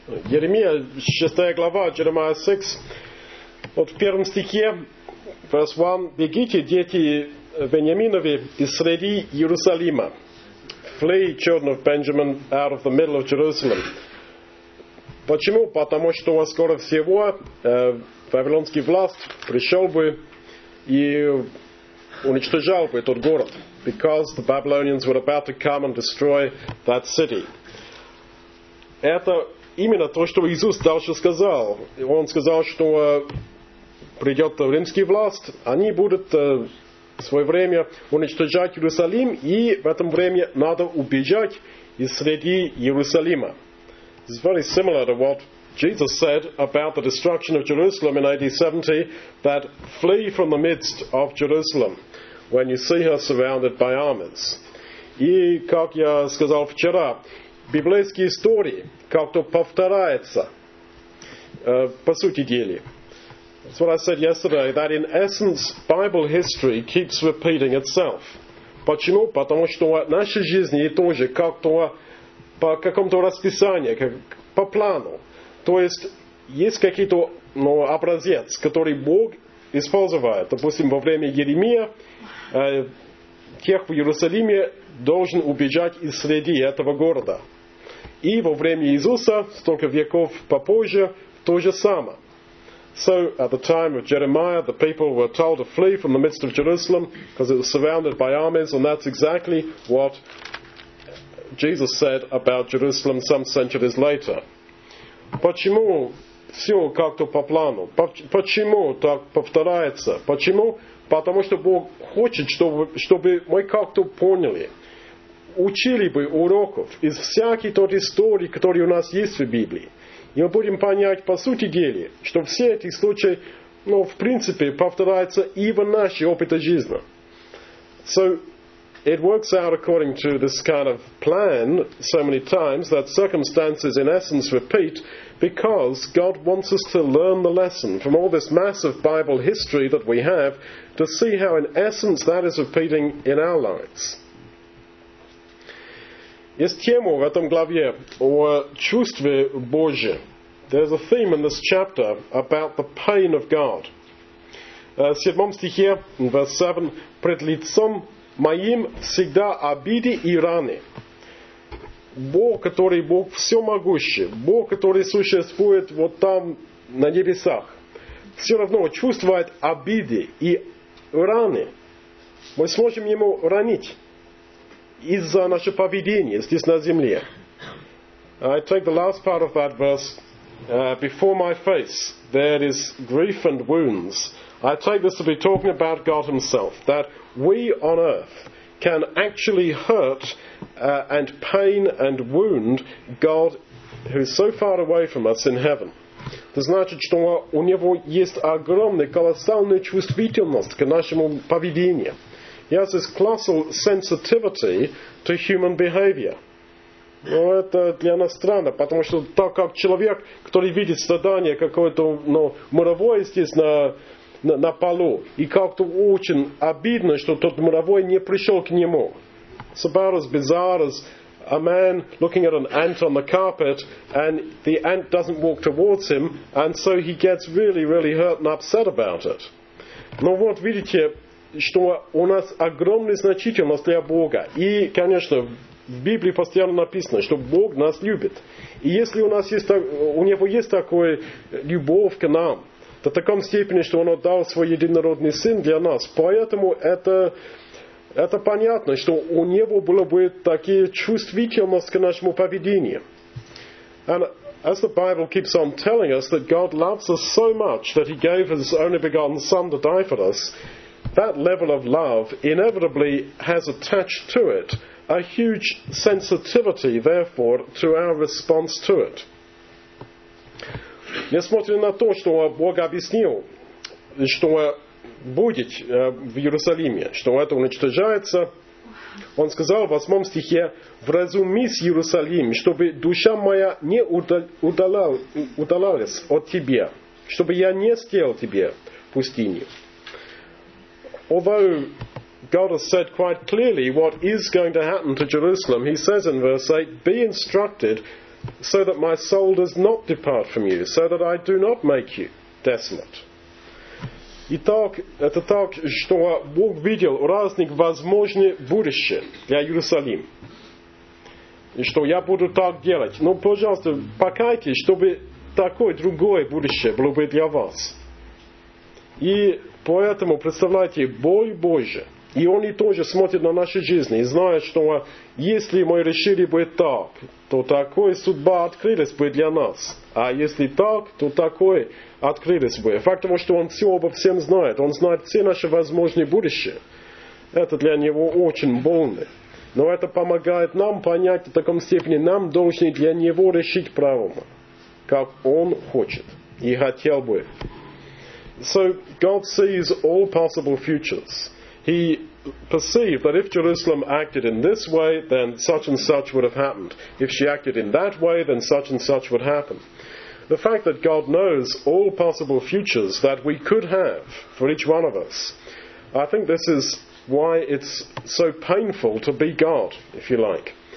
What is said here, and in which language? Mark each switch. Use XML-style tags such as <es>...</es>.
<ru>Иеремия, 6 глава,</ru> <en>Jeremiah 6,</en> <ru>вот в первом стихе,</ru> <en>verse 1,</en> <ru>«Бегите, дети Вениаминовы, из среди Иерусалима».</ru> <en>Flee, children of Benjamin, out of the middle of Jerusalem.</en> <ru>Почему? Потому что скоро всего вавилонский власть пришел бы и уничтожал бы этот город.</ru> <en>Because the Babylonians were about to come and destroy that city.</en> <ru>Это именно то, что Иисус дальше сказал. Он сказал, что придет римский власть, они будут в свое время уничтожать Иерусалим, и в этом время надо убежать из среди Иерусалима.</ru> <en>It's very similar to what Jesus said about the destruction of Jerusalem in AD 70, that flee from the midst of Jerusalem when you see her surrounded by armies.</en> <ru>И, как я сказал вчера, библейские истории как-то повторяются, по сути дела.</ru> <en>That's what I said yesterday, that in essence, Bible history keeps repeating itself.</en> <ru>Почему? Потому что наша жизнь тоже как-то по какому-то расписанию, как по плану. То есть, есть какие-то образец, который Бог использует. Допустим, во время Иеремия, тех в Иерусалиме должен убежать из среди этого города. И во время Иисуса, столько веков попозже, то же самое.</ru> <en>So, at the time of Jeremiah, the people were told to flee from the midst of Jerusalem because it was surrounded by armies, and that's exactly what Jesus said about Jerusalem some centuries later.</en> <ru>Почему все как-то по плану? Почему так повторяется? Почему? Потому что Бог хочет, чтобы мы как-то поняли, учили бы уроков из всякой той истории, которая у нас есть в Библии. И мы будем понять, по сути дела, что все эти случаи, в принципе, повторяются и в нашей опыте жизни.</ru> <en>So, it works out according to this kind of plan so many times that circumstances in essence repeat because God wants us to learn the lesson from all this massive Bible history that we have to see how in essence that is repeating in our lives.</en> <ru>Есть тема в этом главе о чувстве Божьем.</ru> <en>There's a theme in this chapter about the pain of God.</en> <ru>В 7 стихе,</ru> <en>verse 7,</en> <ru>«Пред лицом моим всегда обиды и раны». Бог, который Бог всемогущий, Бог, который существует вот там на небесах, все равно чувствует обиды и раны. Мы сможем ему ранить из-за нашего поведения здесь на земле.</ru> <en>I take the last part of that verse. Before my face there is grief and wounds. I take this to be talking about God himself, that we on earth can actually hurt and pain and wound God, who is so far away from us in heaven.</en> <ru>Это значит, что у него есть огромная, колоссальная чувствительность к нашему поведению.</ru> <en>He has this colossal sensitivity to human behavior.</en> <ru>Но это для нас странно, потому что так как человек, который видит страдание какое-то муравой здесь на полу, и как-то очень обидно, что тот муравой не пришел к нему.</ru> <en>It's about as bizarre as a man looking at an ant on the carpet, and the ant doesn't walk towards him, and so he gets really, really hurt and upset about it.</en> <ru>Но вот видите, что у нас огромная значительность для Бога. И, конечно, в Библии постоянно написано, что Бог нас любит. И если у Него есть такая любовь к нам, то в таком степени, что Он отдал Свой Единородный Сын для нас. Поэтому это понятно, что у Него было бы такие чувствительность к нашему поведению.</ru> <en>And as the Bible keeps on telling us that God loves us so much that He gave His only begotten Son to die for us, that level of love inevitably has attached to it a huge sensitivity, therefore, to our response to it.</en> <ru>Несмотря на то, что Бог объяснил, что будет в Иерусалиме, что это уничтожается, Он сказал в 8 стихе, «Вразумись, Иерусалим, чтобы душа моя не удалялась от тебя, чтобы я не стоял тебе в пустыне».</ru> <en>Although God has said quite clearly what is going to happen to Jerusalem, he says in verse 8, be instructed so that my soul does not depart from you, so that I do not make you desolate.</en> <ru>Итак, это так, что Бог видел разные возможные будущие для Иерусалима. И что я буду так делать. Но, пожалуйста, покайтесь, чтобы такое другое будущее было бы для вас. И поэтому, представляете, боль Божия. И он и тоже смотрит на наши жизни и знает, что если мы решили бы так, то такая судьба открылась бы для нас. А если так, то такое открылось бы. Факт того, что он все обо всем знает, он знает все наши возможные будущие, это для него очень больно. Но это помогает нам понять в таком степени, нам должны для него решить правильно, как он хочет и хотел бы.</ru> <en>So God sees all possible futures. He perceived that if Jerusalem acted in this way, then such and such would have happened. If she acted in that way, then such and such would happen. The fact that God knows all possible futures that we could have for each one of us, I think this is why it's so painful to be God, if you like.</en>